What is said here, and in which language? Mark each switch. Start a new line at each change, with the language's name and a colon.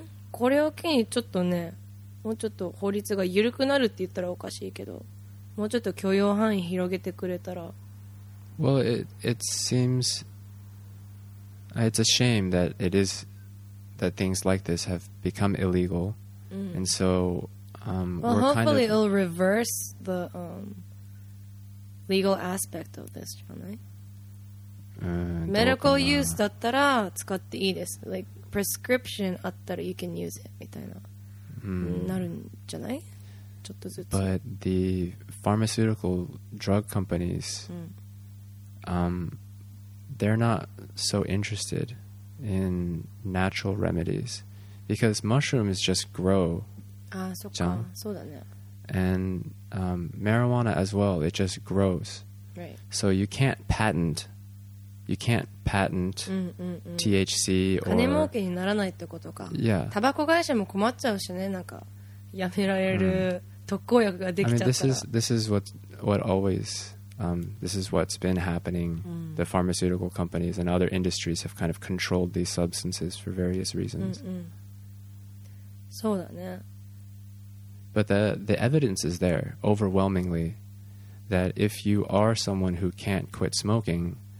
Japanese: これを機にちょっとねもうちょっと法律が緩くなるって言ったらおかしいけどもうちょっと許容範囲広げてくれたら
English: Well, it seems It's a shame that it is that things like this have become illegal, mm-hmm. and so well, we're hopefully kind of it'll reverse the legal aspect of this, right? Medical use
Japanese: だったら使っていいです。Like prescription あったら
English: you can use it
Japanese: みたいな。なるんじゃない？ちょっとずつ。
English: But the pharmaceutical drug companies, they're not so interested in natural remedies because mushrooms just grow.
Japanese: ああ、そっか。そうだね。
English: And marijuana as well, it just grows. Right. So you can't patent. You can't patent THC or
Japanese: 金儲けにならないってことか。
English: Yeah.
Japanese: タバコ会社も困っちゃうしね。なんかやめられる特効薬ができちゃったら。
English: I mean, this is what always this is what's been happening. The pharmaceutical companies and other industries have kind of controlled these substances for various reasons.
Japanese: そうだね。
English: But the evidence is there overwhelmingly that if you are someone who can't quit smoking.